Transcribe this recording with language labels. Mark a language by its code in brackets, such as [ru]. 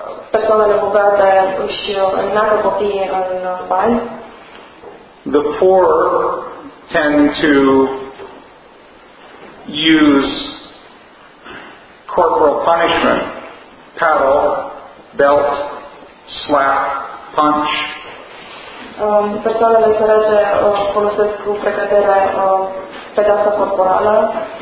[ro] Persoanele bogate își înnacă copiii în bani. [en] The poor tend to use corporal punishment, paddle, belt, slap, punch. [ro] Persoanele sărace folosesc cu precădere pedeapsa corporală.